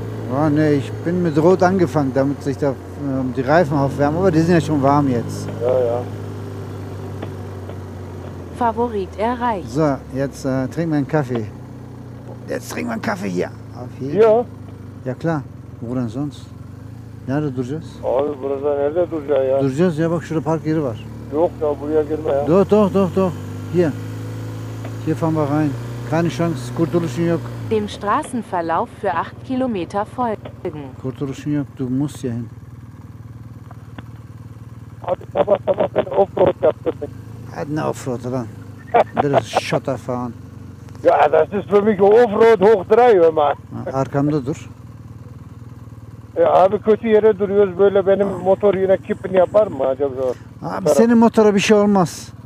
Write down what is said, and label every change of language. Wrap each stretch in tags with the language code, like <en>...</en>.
<de>Oh, nee, ich bin mit Rot angefangen, damit sich da die Reifen aufwärmen. Aber die sind ja schon warm jetzt. Ja, ja. Favorit erreicht. So, jetzt trinken wir einen Kaffee. Jetzt trinken wir einen Kaffee hier. Auf hier? Ja. Ja klar. Wo denn sonst? Ja, da</de> <tr>duracağız. Abi burada nerede duracağız ya? Duracağız ya, bak şurada park yeri var. Yok ya, buraya girme ya. Doğru, doğru, doğru, doğru.</tr> <de>Hier. Hier fahren wir rein. Keine Chance,</de> <tr>kurtuluşun yok.</tr> <de>Dem Straßenverlauf für 8 Kilometer folgen.</de> <tr>Kurtuluşun yok,</tr> <de>du musst hier hin.</de> <tr>Abi, sabah seni offroad yaptırdın. Ne Offroad, lan. Bir</tr> <de>Schotter fahren. Ja, das ist für mich Offroad hoch 3, hör mal.</de> <tr>Arkamda dur. Ja, abi kötü yere duruyoruz böyle, benim motor yine kipin yapar mı acaba? Abi senin motora bir şey olmaz.</tr>